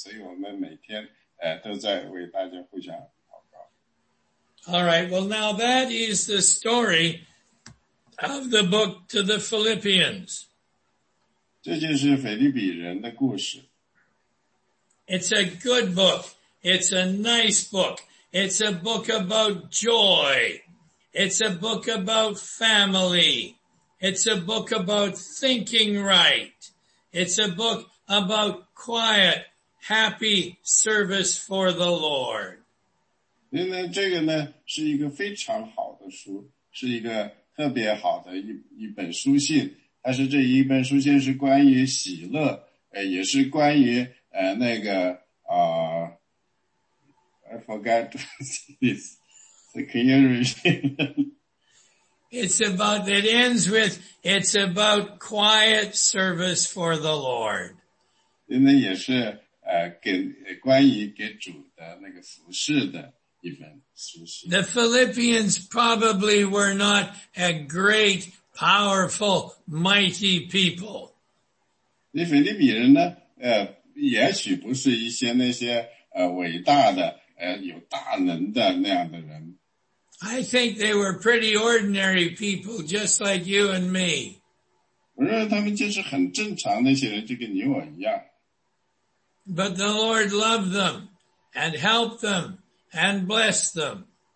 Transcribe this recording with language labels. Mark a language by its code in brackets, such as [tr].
[zh] 因为这是呢，我们基督徒的来说一个非常好的一个总结，就是神的圣灵在我们里面，所以我们每天都在为大家互相。 [en] All right, well now that is the story of the book to the Philippians. [zh] 这就是腓立比人的故事。 [en] It's a good book. It's a nice book. It's a book about joy. It's a book about family. It's a book about thinking right. It's a book about quiet, happy service for the Lord. [zh] 因为这个呢是一个非常好的书，是一个特别好的一本书信。但是这一本书信是关于喜乐，也是关于那个啊， [en] I forgot this. So can you repeat? It's about, it ends with, it's about quiet service for the Lord. [zh] 那也是, 关于给主的那个服侍的一份服侍。 [en] The Philippians probably were not a great, powerful, mighty people. [zh] 那菲利比人呢, 也许不是一些那些, 伟大的, 有大能的那样的人。 [en] I think they were pretty ordinary people, just like you and me. [zh] 我认为他们就是很正常那些人，就跟你我一样。 [en] But the Lord loved them, and helped them, and blessed them.